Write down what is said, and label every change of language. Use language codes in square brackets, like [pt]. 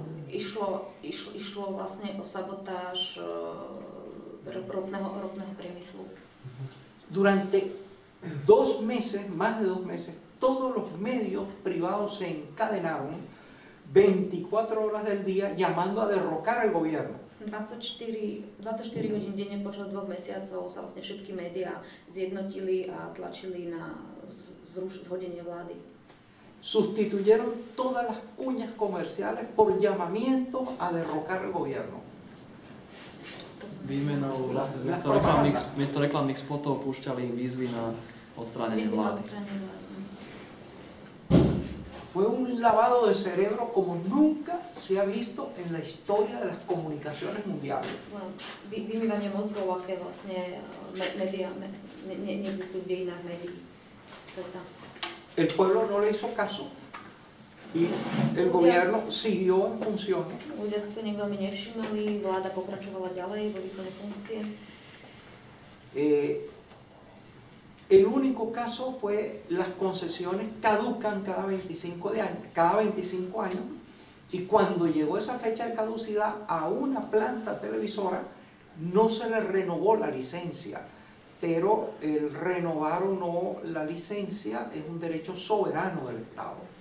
[sk] išlo vlastne o sabotáž ropného priemyslu. [es] Durante dos meses, más de dos meses, todos los medios privados se encadenaron 24 horas del día llamando a derrocar al gobierno. [sk] 24 hodín denne počas dvoch mesiacov sa vlastne všetky médiá zjednotili a tlačili na zhodenie vlády. [es] Sustituyeron todas las cuñas comerciales por llamamiento a derrocar el gobierno. [sk] Výmenou vlastne miesto reklamných spotov púšťali výzvy na odstránenie vlády. [es] Fue un lavado de cerebro como nunca se ha visto en la historia de las comunicaciones mundiales. Bueno, [sk] vymývanie mozgov, aké vlastne neexistujú v dejinách médií sveta. [es] El pueblo no le hizo caso y el gobierno siguió en función. [sk] Ľudia si to nikto veľmi nevšimali, vláda pokračovala ďalej vo výkone funkcie. [es] El único caso fue las concesiones caducan cada 25 de años, cada 25 años, y cuando llegó esa fecha de caducidad a una planta televisora no se le renovó la licencia, pero el renovar o no la licencia es un derecho soberano del Estado.